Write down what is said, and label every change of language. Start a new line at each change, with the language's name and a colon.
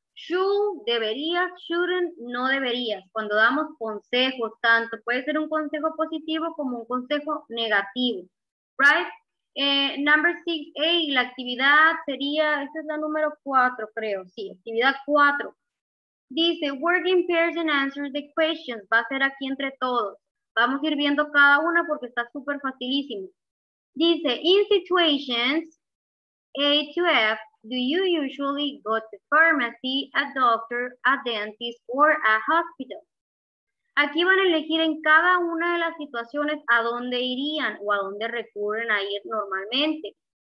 Spanish: Should, deberías, shouldn't, no deberías. Cuando damos consejos, tanto puede ser un consejo positivo como un consejo negativo.
English: Right? Number six, hey,
Spanish: la actividad sería, esta es la número cuatro, creo. Sí, actividad cuatro. Dice,
English: work in pairs and answer the questions.
Spanish: Va a ser aquí entre todos. Vamos a ir viendo cada una porque está súper facilísimo. Dice,
English: in situations A to F, do you usually go to pharmacy, a doctor, a dentist, or a hospital?
Spanish: Aquí van a elegir en cada una de las situaciones a dónde irían o a dónde recurren a ir normalmente.